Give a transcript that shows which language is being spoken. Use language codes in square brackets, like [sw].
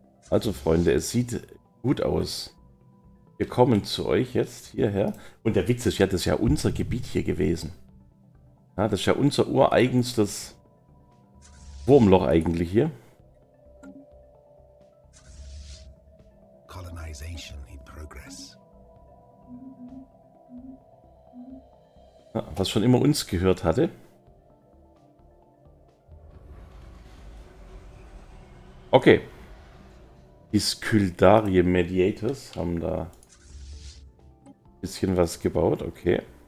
[de] Also Freunde, es sieht gut aus. Wir kommen zu euch jetzt hierher. Und der Witz ist ja, das ist ja unser Gebiet hier gewesen. Ja, das ist ja unser ureigenstes Wurmloch eigentlich hier. [en] Colonization in progress. [de] Ja, was schon immer uns gehört hatte. Okay. Die Skyldarie Mediators haben da ein bisschen was gebaut, okay.